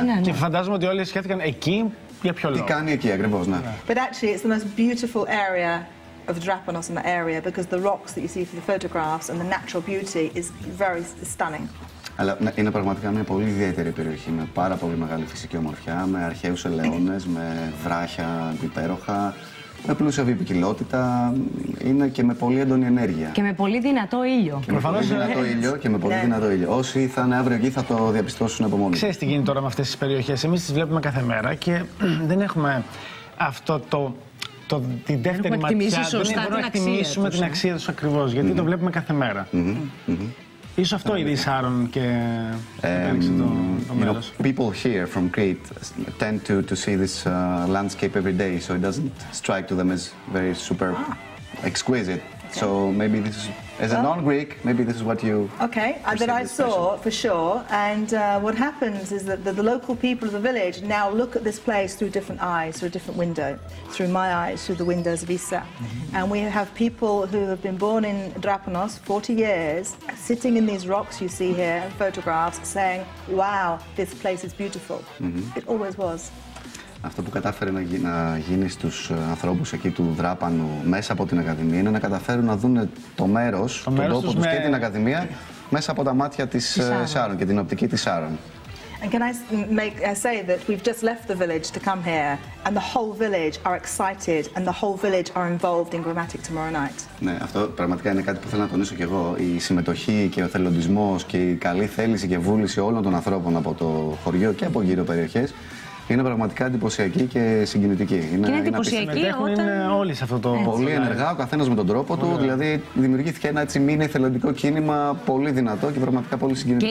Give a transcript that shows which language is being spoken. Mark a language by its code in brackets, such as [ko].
[el] Και φαντάζομαι ότι όλοι σχέθηκαν εκεί. Για ποιο λόγο. Τι κάνει εκεί, ακριβώς, ναι. [en] But actually, it's the most beautiful area of Drapanos in that area because the rocks that you see from the photographs and the natural beauty is very stunning. [el] Αλλά είναι πραγματικά μια πολύ ιδιαίτερη περιοχή με πάρα πολύ μεγάλη φυσική ομορφιά, με αρχαίους ελαιώνες, με βράχια υπέροχα, με πλούσια βιοποικιλότητα, είναι και με πολύ έντονη ενέργεια. Και με πολύ δυνατό ήλιο. Και με πολύ δυνατό ήλιο και με πολύ δυνατό ήλιο. Όσοι θα είναι αύριο εκεί θα το διαπιστώσουν από μόνοι. Ξέρεις τι γίνεται τώρα με αυτές τις περιοχές. Εμείς τις βλέπουμε κάθε μέρα και δεν έχουμε αυτό το. Την δεύτερη ματιά, δεν μπορούμε να εκτιμήσουμε την αξία τους ακριβώς, γιατί το βλέπουμε κάθε μέρα. Ίσως αυτό ήδη σάρων και το μέρος. [en] People here from Crete tend to see this landscape every day, so it doesn't strike to them as very super exquisite. So maybe this is, as a non-Greek, maybe this is what you. Okay, that I saw for sure. And what happens is that the local people of the village now look at this place through different eyes, through a different window, through my eyes, through the windows of Issa. Mm-hmm. And we have people who have been born in Drapanos 40 years, sitting in these rocks you see here, photographs, saying, "Wow, this place is beautiful." Mm-hmm. It always was. [el] Αυτό που κατάφερε να γίνει στους ανθρώπους εκεί του Δράπανου μέσα από την Ακαδημία είναι να καταφέρουν να δουν το μέρος, τον τόπο τους και την Ακαδημία μέσα από τα μάτια της Σάρων και την οπτική της Σάρων. [en] And can I say that we've just left the village to come here and the whole village are excited and the whole village are involved in Grammatic tomorrow night. [el] Ναι, αυτό πραγματικά είναι κάτι που θέλω να τονίσω κι εγώ. Η συμμετοχή και ο θελοντισμός και η καλή θέληση και βούληση όλων των ανθρώπων από το χωριό και από γύρω περιοχές είναι πραγματικά εντυπωσιακή και συγκινητική. Είναι εντυπωσιακή όταν... Είναι όλοι σε αυτό το... Έτσι, πολύ ενεργά, ο καθένας με τον τρόπο του. Δηλαδή δημιουργήθηκε ένα έτσι μήνυ εθελοντικό κίνημα πολύ δυνατό και πραγματικά πολύ συγκινητικό.